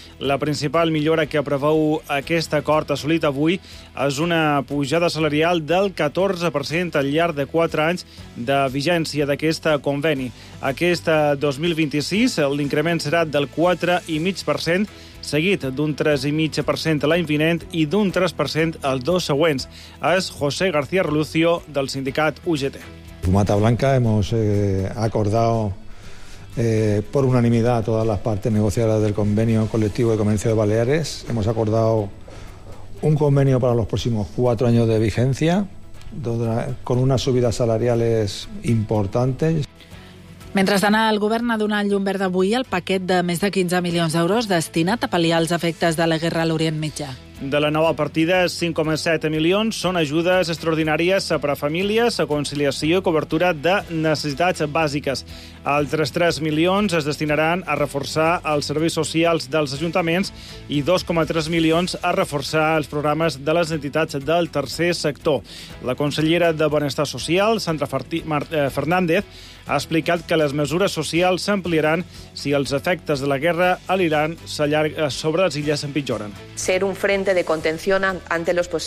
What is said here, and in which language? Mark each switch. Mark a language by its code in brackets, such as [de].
[ca] La principal millora que preveu aquest acord assolit avui és una pujada salarial del 14% al llarg de 4 anys de vigència d'aquest conveni. Aquest 2026 l'increment serà del 4,5%, seguit d'un 3,5% l'any vinent i d'un 3% els dos següents. És José García Relucio, del sindicat UGT. [es] Fumata Blanca, hemos acordado por unanimidad todas las partes negociadas del convenio colectivo de comercio de Baleares. Hemos acordado un convenio para los próximos 4 años de vigencia, con unas subidas salariales importantes. [ca] Mentrestant, el govern ha donat llum verd avui al paquet de més de 15 milions d'euros destinat a pal·liar els efectes de la guerra a l'Orient Mitjà. De la nova partida, 5,7 milions són ajudes extraordinàries per a famílies, a conciliació i cobertura de necessitats bàsiques. Altres 3 milions es destinaran a reforçar els serveis socials dels ajuntaments i 2,3 milions a reforçar els programes de les entitats del tercer sector. La consellera de Benestar Social, Sandra Fernández, ha explicat que les mesures socials s'ampliaran si els efectes de la guerra a l'Iran s'allarga sobre les illes empitjoren. [es] Ser un frente de contención ante los posibles